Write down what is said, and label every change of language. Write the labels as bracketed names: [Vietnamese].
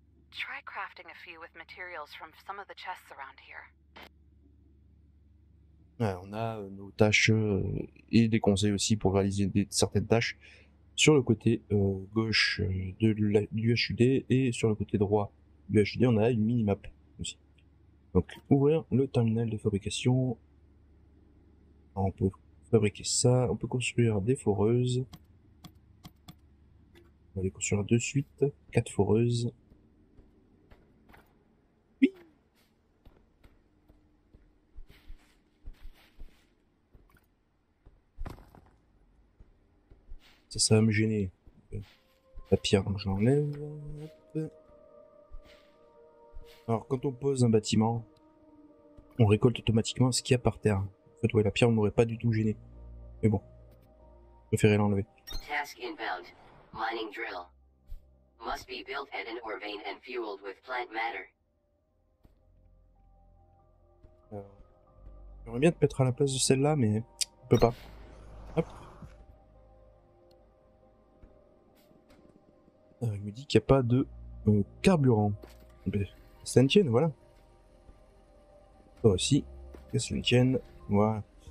[English] Try crafting a few with materials from some of the chests around here. [French] Ouais, on a nos tâches et des conseils aussi pour réaliser certaines tâches. sur le côté gauche du HUD et sur le côté droit du HUD, on a une minimap aussi. Donc, ouvrir le terminal de fabrication. On peut fabriquer ça. On peut construire des foreuses. On va les construire de suite. Quatre foreuses. Ça va me gêner. La pierre, j'enlève. Alors, quand on pose un bâtiment, on récolte automatiquement ce qu'il y a par terre. En fait, ouais, la pierre m'aurait pas du tout gêné. Mais bon, je préférais l'enlever. [English] Task inbound. Mining drill. Must be built at an ore vein and fueled with plant matter. [French] J'aimerais bien te mettre à la place de celle-là, mais on peut pas. Hop. Il me dit qu'il n'y a pas de carburant. Ça ne tienne, voilà. Oh, si. Ça ne tienne. Voilà.